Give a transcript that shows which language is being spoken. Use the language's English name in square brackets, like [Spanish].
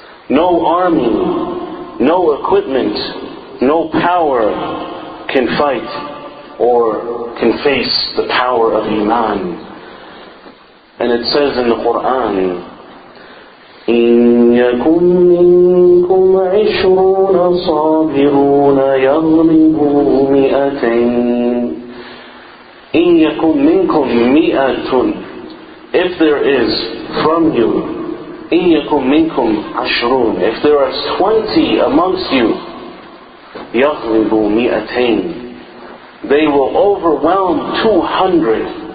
[English] No army, no equipment, no power can fight or can face the power of iman. And it says in the Quran, [Arabic] إِنْ يَكُمْ مِنْكُمْ عِشْرُونَ صَابِرُونَ يَغْلِبُوا مِئَتَيْنِ إِنْ يَكُمْ مِنْكُمْ مِئَةٌ. [English] If there is from you, [Arabic] إِنْ يَكُمْ مِنْكُمْ عَشْرُونَ, [English] if there are 20 amongst you, [Arabic] يَغْلِبُوا مِئَتَيْنِ, [English] they will overwhelm 200.